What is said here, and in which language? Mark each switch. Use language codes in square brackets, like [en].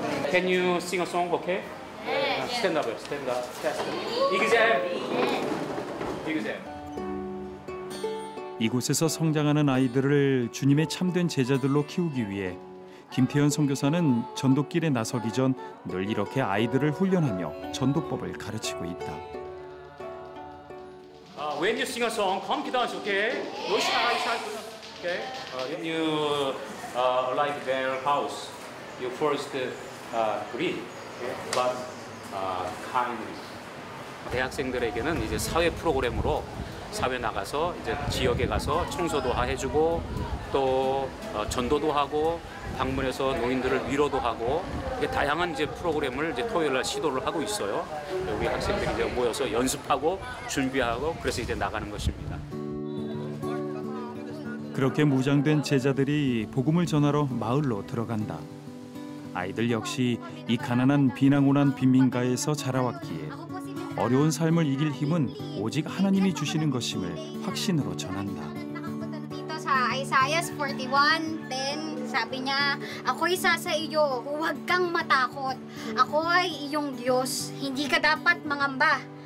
[en] Can you sing a song, okay? Stand up, stand up. Exam. Exam. [ko] 이곳에서 성장하는 아이들을 주님의 참된 제자들로 키우기 위해 김태현 선교사는 전도길에 나서기 전 늘 이렇게 아이들을 훈련하며 전도법을 가르치고 있다. [en] When you sing a song, come to dance, okay? No shy, shy, shy. Okay? When you like their house, you first greet, but kindly. [ko] 대학생들에게는 이제 사회 프로그램으로 사회 나가서 이제 지역에 가서 청소도 해주고 또 전도도 하고 방문해서 노인들을 위로도 하고 다양한 이제 프로그램을 이제 토요일 날 시도를 하고 있어요. 우리 학생들이 이제 모여서 연습하고 준비하고 그래서 이제 나가는 것입니다. 그렇게 무장된 제자들이 복음을 전하러 마을로 들어간다. 아이들 역시 이 가난한 비난온한 빈민가에서 자라왔기에 어려운 삶을 이길 힘은 오직 하나님이 주시는 것임을 확신으로 전한다. [tl] 사 Isaiah 41:10 sabi niya, ako ay sasa iyo, huwag kang matakot. Ako ay iyong Diyos, hindi ka dapat mangamba.